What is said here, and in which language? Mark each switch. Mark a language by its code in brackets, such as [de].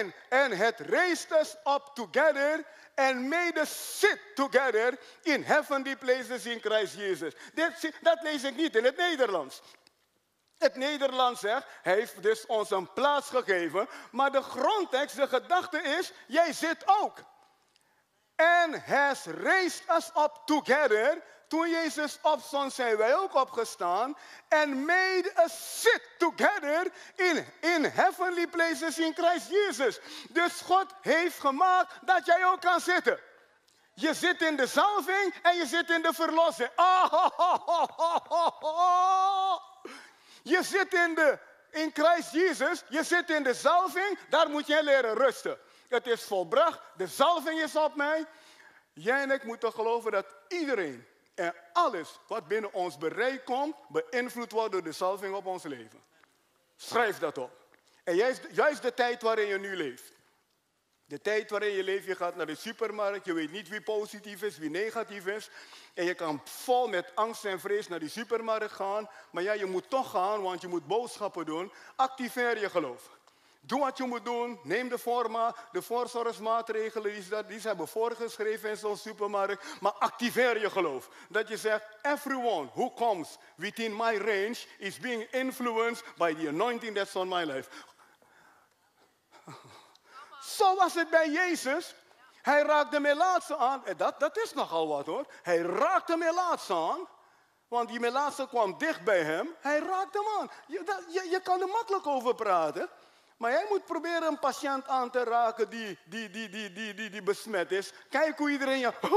[en] And het raised us up together and made us sit together in heavenly places in Christ Jesus. [nl] Dat lees ik niet in het Nederlands. Het Nederlands zegt, hij heeft dus ons een plaats gegeven. Maar de grondtekst, de gedachte is, jij zit ook. [en] En has raised us up together. [nl] Toen Jezus opstond, zijn wij ook opgestaan. [en] And made us sit together in heavenly places in Christ Jesus. [nl] Dus God heeft gemaakt dat jij ook kan zitten. Je zit in de salving en je zit in de verlossing. Oh, oh, oh, oh, oh, oh. Je zit in Christ Jesus, je zit in de zalving, daar moet jij leren rusten. Het is volbracht, de zalving is op mij. Jij en ik moeten geloven dat iedereen en alles wat binnen ons bereik komt, beïnvloed wordt door de zalving op ons leven. Schrijf dat op. En juist de tijd waarin je nu leeft. De tijd waarin je leeft, je gaat naar de supermarkt, je weet niet wie positief is, wie negatief is. En je kan vol met angst en vrees naar die supermarkt gaan. Maar ja, je moet toch gaan, want je moet boodschappen doen. Activeer je geloof. Doe wat je moet doen. Neem de voorzorgsmaatregelen die ze hebben voorgeschreven in zo'n supermarkt. Maar activeer je geloof. Dat je zegt, [en] everyone who comes within my range is being influenced by the anointing that's on my life. [nl] Zo was het bij Jezus. Hij raakte melaatse aan. Dat is nogal wat hoor. Hij raakte melaatse aan. Want die melaatse kwam dicht bij hem. Hij raakte hem aan. Je kan er makkelijk over praten. Maar jij moet proberen een patiënt aan te raken die besmet is. Kijk hoe iedereen je...